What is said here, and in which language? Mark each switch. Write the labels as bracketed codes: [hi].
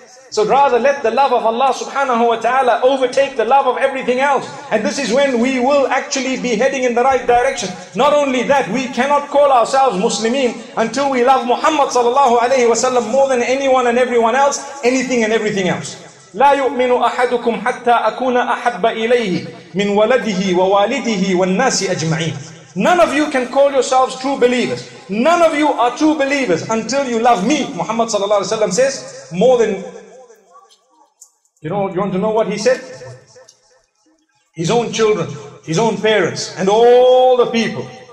[en] So rather let the love of Allah subhanahu wa ta'ala overtake the love of everything else. And this is when we will actually be heading in the right direction. Not only that, we cannot call ourselves Muslimin until we love Muhammad sallallahu alayhi wa sallam more than anyone and everyone else, anything and everything else. [ar] لا يؤمن أحدكم حتى أكون أحب إليه من ولده ووالده والناس أجمعين. [en] None of you can call yourselves true believers. None of you are true believers until you love me, Muhammad sallallahu alaihi wasallam says, more than... You know, you want to know what he said? His own children, his own parents, and all the people.